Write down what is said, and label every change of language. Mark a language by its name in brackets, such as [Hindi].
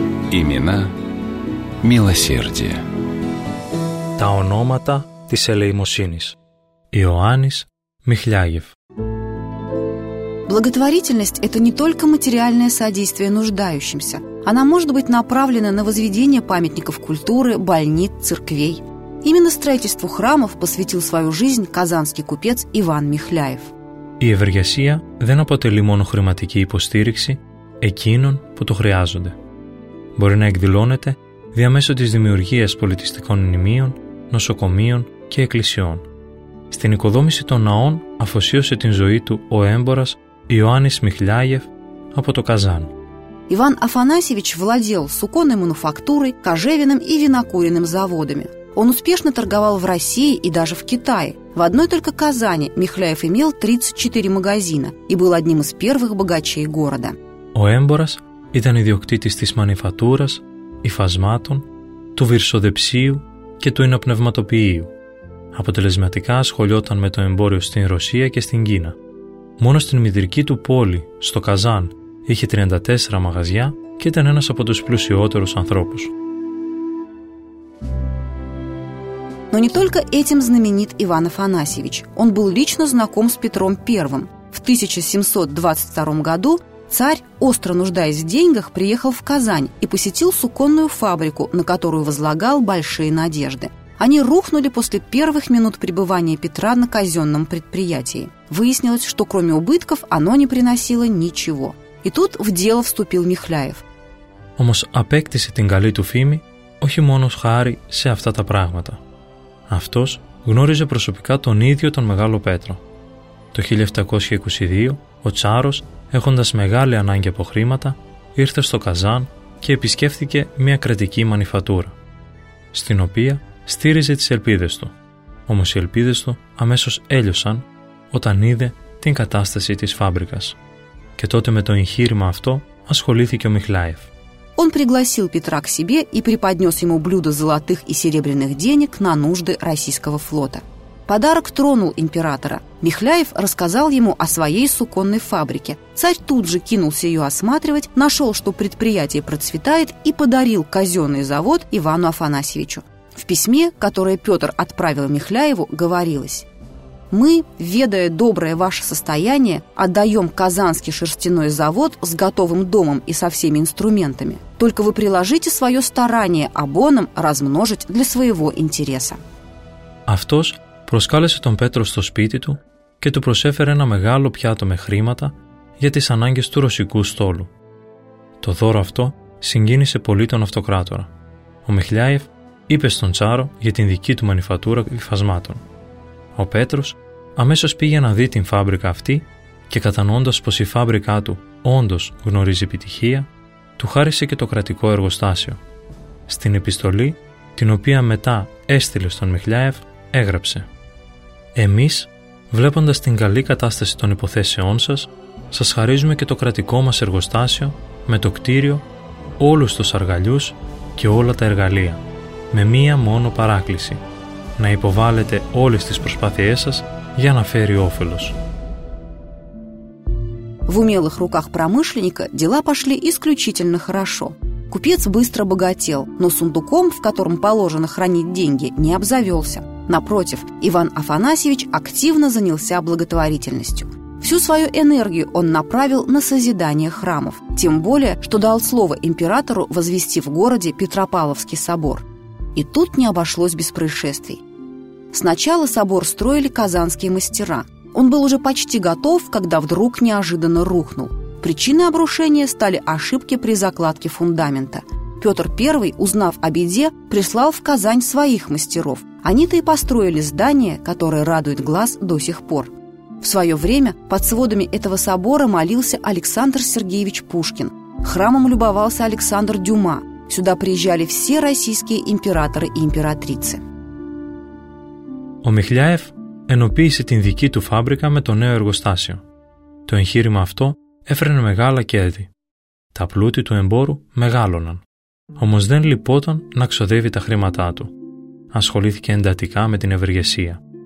[Russian] Имена милосердия. [Greek] Τα ονόματα της ελεημοσύνης. Ιωάννης Михляев. [Russian] Благотворительность – это не только материальное содействие нуждающимся. Она может быть направлена на возведение памятников культуры, больниц, церквей. Именно строительству храмов посвятил свою жизнь казанский купец Иван Михляев. [Greek] Η ευεργεσία δεν αποτελεί μόνο χρηματική υποστήριξη εκείνων που το χρειάζονται. Μπορεί να εκδηλώνεται διαμέσω της δημιουργίας πολιτιστικών μνημείων, νοσοκομείων και εκκλησιών. Στην οικοδόμηση των ναών αφοσίωσε την ζωή του ο έμπορας Ιωάννης Михляев από το Καζάν. [Russian] Иван Афанасьевич владел суконной мануфактурой, кожевенным и винокуренным заводами. Он успешно торговал в России и даже в Китае. В одной только Казани Михляев имел 34 магазина и был одним из первых богачей города. [Greek] Ο έμπορας ήταν ιδιοκτήτης της μανιφατούρας, υφασμάτων, του βυρσοδεψίου και του ειναπνευματοποιείου. Αποτελεσματικά ασχολιόταν με το εμπόριο στην Ρωσία και στην Κίνα. Μόνο στην μητρική του πόλη, στο Καζάν, είχε 34 μαγαζιά και ήταν ένας από τους πλουσιότερους ανθρώπους. [Russian] Но не только этим знаменит Иван Афанасьевич. Он был лично знаком с Петром I. В 1722 году царь, остро нуждаясь в деньгах, приехал в Казань и посетил суконную фабрику, на которую возлагал большие надежды. Они рухнули после первых минут пребывания Петра на казенном предприятии. Выяснилось, что кроме убытков оно не приносило ничего. И тут в дело вступил Михляев. [Greek] Όμως απέκτησε την καλή του φήμη, όχι μόνο χάρη σε αυτά τα πράγματα. Αυτός γνώριζε προσωπικά τον ίδιο τον Μεγάλο Πέτρο. Το 1722, ο τσάρος, έχοντας μεγάλη ανάγκη από χρήματα, ήρθε στο Καζάν και επισκέφθηκε μια κρατική μανιφατούρα, στην οποία στήριζε τις ελπίδες του. Όμως οι ελπίδες του αμέσως έλειωσαν όταν είδε την κατάσταση της φάμπρικας. Και τότε με το εγχείρημα αυτό ασχολήθηκε ο Μιχλάεφ. [Russian] Он пригласил Петра к себе и преподнес ему блюдо золотых и серебряных денег на нужды российского флота. Подарок тронул императора. Михляев рассказал ему о своей суконной фабрике. Царь тут же кинулся ее осматривать, нашел, что предприятие процветает, и подарил казенный завод Ивану Афанасьевичу. В письме, которое Петр отправил Михляеву, говорилось: «Мы, ведая доброе ваше состояние, отдаем Казанский шерстяной завод с готовым домом и со всеми инструментами. Только вы приложите свое старание обоном размножить для своего интереса». [Greek] Αυτός προσκάλεσε τον Πέτρο στο σπίτι του και του προσέφερε ένα μεγάλο πιάτο με χρήματα για τις ανάγκες του ρωσικού στόλου. Το δώρο αυτό συγκίνησε πολύ τον αυτοκράτορα. Ο Μιχλιάεφ είπε στον τσάρο για την δική του μανιφατούρα υφασμάτων. Ο Πέτρος αμέσως πήγε να δει την φάμπρικα αυτή και κατανοώντας πως η φάμπρικά του όντως γνωρίζει επιτυχία, του χάρισε και το κρατικό εργοστάσιο. Στην επιστολή, την οποία μετά έστειλε στον Μιχλιάεφ, έγραψε: «Εμείς, βλέποντας την καλή κατάσταση των υποθέσεών σας, σας χαρίζουμε και το κρατικό μας εργοστάσιο με το κτίριο, όλους τους αργαλιούς και όλα τα εργαλεία, με μία μόνο παράκληση: να υποβάλλετε όλες τις προσπάθειές σας για να φέρει όφελος». [Russian] В умелых руках промышленника дела пошли исключительно хорошо. Купец быстро богател, но сундуком, в котором положено хранить деньги, не обзавелся. Напротив, Иван Афанасьевич активно занялся благотворительностью. Всю свою энергию он направил на созидание храмов, тем более, что дал слово императору возвести в городе Петропавловский собор. И тут не обошлось без происшествий. Сначала собор строили казанские мастера. Он был уже почти готов, когда вдруг неожиданно рухнул. Причиной обрушения стали ошибки при закладке фундамента. Петр I, узнав о беде, прислал в Казань своих мастеров. Они-то и построили здание, которое радует глаз до сих пор. В свое время под сводами этого собора молился Александр Сергеевич Пушкин. Храмом любовался Александр Дюма. Сюда приезжали все российские императоры и императрицы. [Greek] Ο Μιχλιάεφ ενοποίησε την δική του φάμπρικα με το νέο εργοστάσιο. Το εγχείρημα αυτό έφερνε μεγάλα κέρδη. Τα πλούτη του εμπόρου μεγάλωναν. Όμως δεν λυπόταν να ξοδεύει τα χρήματά του. Ασχολήθηκε εντατικά με την ευεργεσία.